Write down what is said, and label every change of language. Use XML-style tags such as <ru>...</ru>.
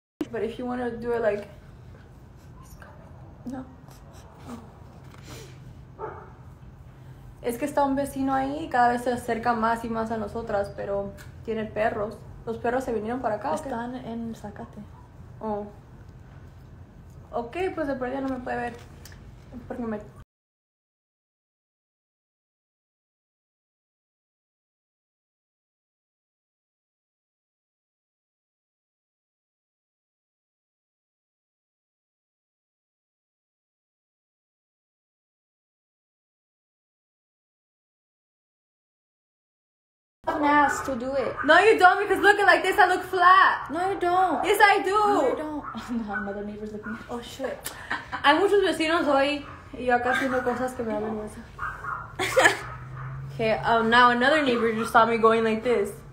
<en>But if you want to do it like, no.</en> <es>Es que está un vecino ahí, cada vez se acerca más y más a nosotras, pero tiene perros. Los perros se vinieron para acá. Están en Zacate. Oh. Okay, pues de por allá no me puede ver porque me.</es> <en>Ass to do it. No, you don't, because looking like this, I look flat. No, you don't. Yes, I do. No, you don't. Oh, no, mother neighbor's looking. Oh, shit.</en> <es>Hay muchos vecinos hoy y yo acá haciendo cosas que me da vergüenza.</es> <en>Okay, now another neighbor just saw me going like this.</en>